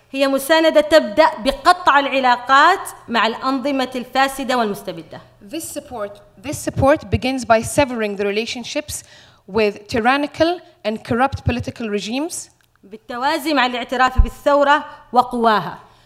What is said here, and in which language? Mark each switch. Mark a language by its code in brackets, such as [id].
[ar] هي مساندة تبدأ بقطع العلاقات مع الأنظمة الفاسدة والمستبدة. [en] This support begins by severing the relationships with tyrannical and corrupt political regimes. [ar] بالتوازي مع الاعتراف بالثورة وقواها.